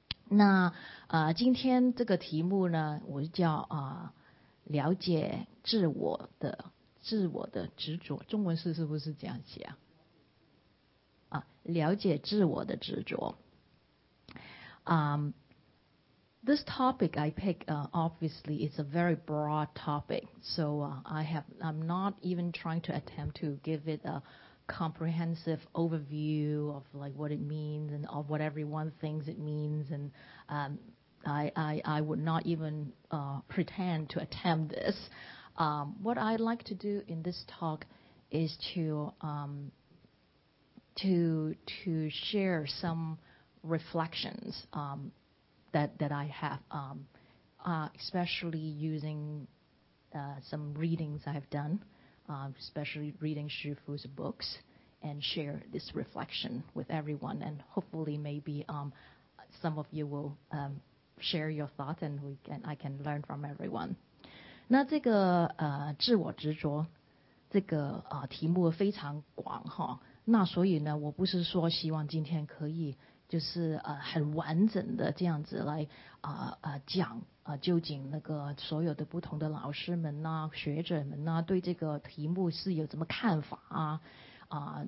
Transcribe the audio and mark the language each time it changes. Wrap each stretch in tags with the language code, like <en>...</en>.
<zh>那今天这个题目呢，我叫了解自我的执着，中文是不是这样写了解自我的执着。</zh> <en>This topic I pick obviously is a very broad topic, so I'm not even trying to attempt to give it a comprehensive overview of like what it means and of what everyone thinks it means, and I would not even pretend to attempt this. What I'd like to do in this talk is to share some reflections that I have, especially using some readings I've done, especially reading Shi Fu's books, and share this reflection with everyone, and hopefully maybe some of you will share your thoughts and I can learn from everyone.</en> <zh>那这个自我执着这个题目非常广哈，那所以呢，我不是说希望今天可以就是很完整的这样子来讲究竟那个所有的不同的老师们呐、学者们呐、对这个题目是有什么看法啊。</zh>